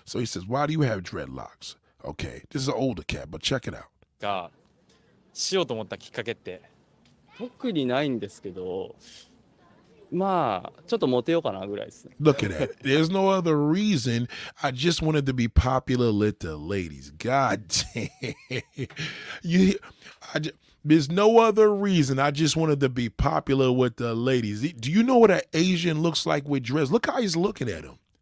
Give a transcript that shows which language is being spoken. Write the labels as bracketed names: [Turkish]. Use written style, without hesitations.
[English] So he says, why do you have dreadlocks? Okay, this is an older cat, but check it out. [Japanese] しようと思ったきっかけって特にないんですけど、まあちょっとモテようかなぐらいですね。 [English] Look at that. There's no other reason. I just wanted to be popular with the ladies. God damn. There's no other reason. I just wanted to be popular with the ladies. Do you know what an Asian looks like with dreads? Look how he's looking at him.